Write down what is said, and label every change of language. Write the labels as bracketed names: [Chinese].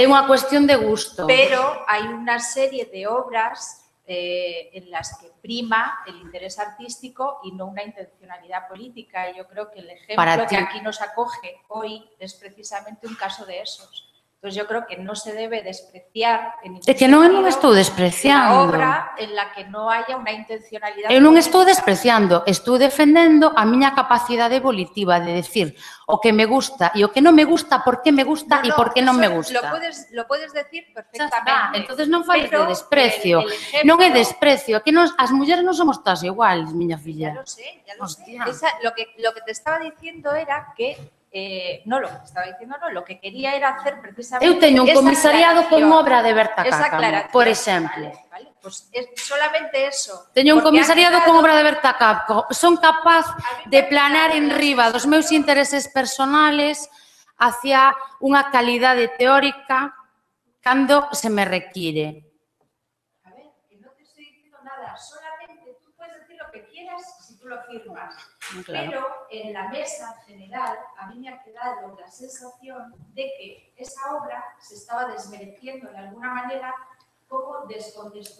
[Galician] É unha cuestión de gusto. Pero hai unha serie de obras... [Spanish] en las que prima el interés artístico y no una intencionalidad política. Y yo creo que el ejemplo que aquí nos acoge hoy es precisamente un caso de esos. Entonces yo creo que no se debe despreciar... Es que no lo estoy despreciando. ...una obra en la que no haya una intencionalidad política. No estoy despreciando, estoy defendiendo a mi capacidad evolutiva de decir o que me gusta y o que no me gusta, por qué me gusta y por qué no me gusta. Lo puedes decir perfectamente. Entonces no falles de desprecio. No es desprecio. Las mujeres no somos todas iguales, [Galician] miña filla. [Spanish] Ya lo sé, Hostia. Lo que te estaba diciendo era que... lo que quería era hacer precisamente... [Galician] Eu teño un comisariado con obra de Berta Cácamo, por exemplo. [Spanish] Vale, pues es solamente eso. [Galician] Teño un comisariado con obra de Berta Cácamo. Son capaz de planear en riba dos meus intereses personales hacia unha calidade teórica cando se me require. [Spanish] A ver, [Galician] que non te estoy dicindo nada. [Spanish] Solamente tú puedes decir lo que quieras si tú lo firmas. Claro. Pero en la mesa general a mí me ha quedado la sensación de que esa obra se estaba desmereciendo de alguna manera como descontextualizada.